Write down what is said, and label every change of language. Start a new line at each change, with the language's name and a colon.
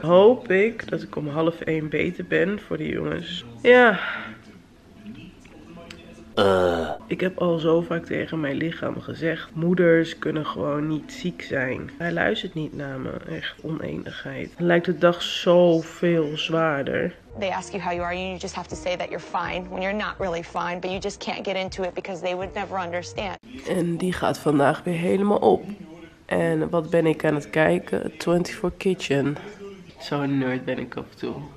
Dutch: Hoop ik dat ik om 12:30 beter ben voor de jongens. Ja. Ik heb al zo vaak tegen mijn lichaam gezegd, moeders kunnen gewoon niet ziek zijn. Hij luistert niet naar me, echt oneenigheid. Het lijkt de dag zoveel zwaarder.
English: They ask you how you are, you just have to say that you're fine, when you're not really fine, but you just can't get into it because they would never understand.
Dutch: En die gaat vandaag weer helemaal op. En wat ben ik aan het kijken? 24 Kitchen. Zo'n nerd ben ik af en toe.